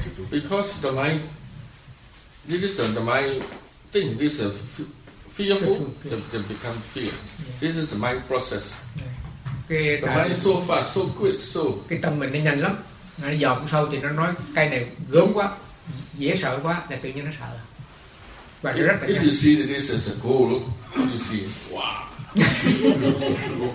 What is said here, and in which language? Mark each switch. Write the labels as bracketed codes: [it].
[en] because the mind, this is the mind, this is fearful, then become fear. This is the mind process. [vi] Cái tâm mình nó nhanh lắm, nó dòm sâu thì nó nói cây này gớm quá, dễ sợ quá, là tự nhiên nó sợ. Và [en] if, [vi] rất là nhanh. [en] If you see that this is a goal, you see, wow.